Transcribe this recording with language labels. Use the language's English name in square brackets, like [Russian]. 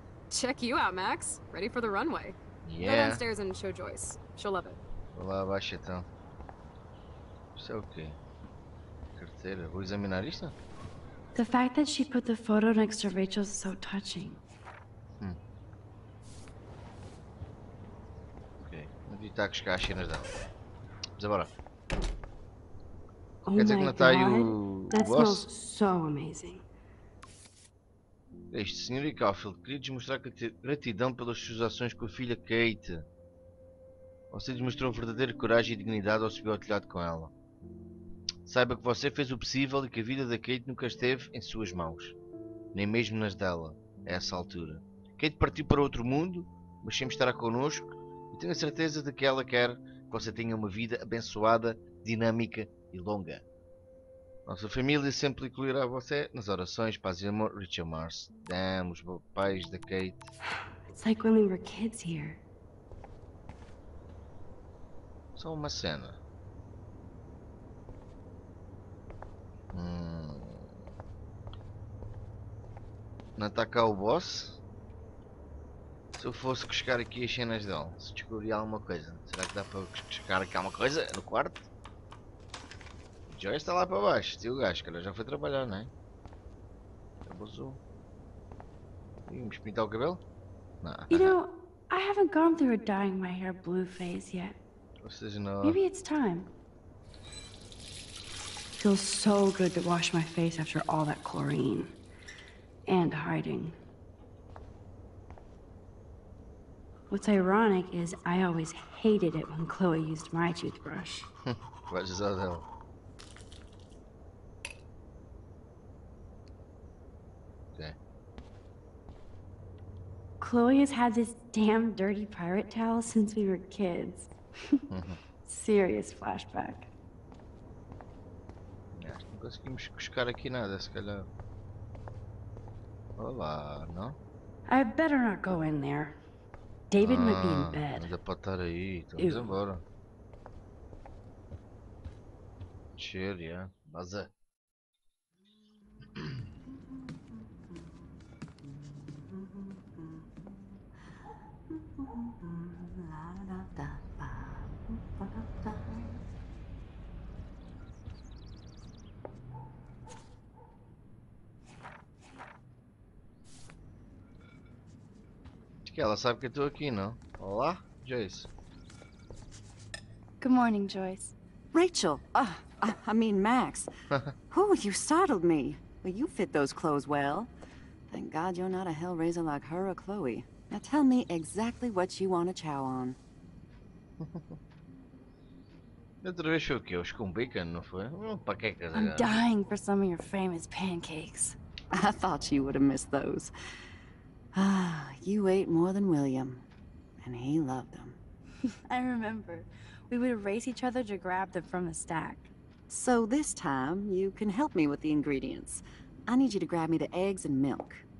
[English] Check you out, Max. Ready for the runway. Yeah. Go downstairs and show Joyce. She'll love it. [Portuguese] Olá, baixa então. Isso é o quê? Carteira. Vou examinar isso? [English] The fact that she put the photo next to Rachel is so touching. [Portuguese] E está a cuscar as cenas dela. Vamos embora. Oh, quer dizer que não está aí o boss? [English] So amazing. [Portuguese] Este senhor e Caulfield, queria demonstrar gratidão pelas suas ações com a filha Kate. Você demonstrou verdadeira coragem e dignidade ao subir ao telhado com ela. Saiba que você fez o possível e que a vida da Kate nunca esteve em suas mãos. Nem mesmo nas dela, a essa altura. Kate partiu para outro mundo, mas sempre estará connosco. E tenho a certeza de que ela quer que você tenha uma vida abençoada, dinâmica e longa. Nossa família sempre incluirá você nas orações, paz e amor, Richard Mars. Damn, os pais da Kate. [English] It's like when we were kids here. [Portuguese] Só uma cena. Não está cá o boss? Se eu fosse cuscar aqui as cenas dela, se descobri alguma coisa, será que dá para cuscar aqui alguma coisa no quarto? Joyce está lá para baixo, tio gajo, que ela já foi trabalhar, não é? Abusou. Vamos pintar o cabelo? Não. [English] You know, I haven't gone through a dyeing my hair blue phase yet. Maybe it's time. Feels so good to wash my face after all that chlorine and hiding. What's ironic is I always hated it when Chloe used my toothbrush. What is that hell? Okay. Chloe has had this damn dirty pirate towel since we were kids. Serious flashback. [Portuguese] Não conseguimos buscar aqui nada, se calhar. Olá, não? [English] I better not go in there. David might be in bed. [Portuguese] Ainda pode estar aí, vamos embora. Cheiro, yeah. Baza. Ela sabe que eu estou aqui, não? Olá, Joyce. [English] Good morning, Joyce. Rachel. Max. Oh, you startled me. Well, you fit those clothes well. Thank God you're not a hellraiser like her or Chloe. Now tell me exactly what you want to chow on. [Portuguese] Outra vez foi o quê? Os com bacon, não foi? Para que é que [English] I'm dying for some of your famous pancakes. I thought you would have missed those. Ah, you ate more than William, and he loved them. I remember. We would race each other to grab them from the stack. So this time, you can help me with the ingredients. I need you to grab me the eggs and milk.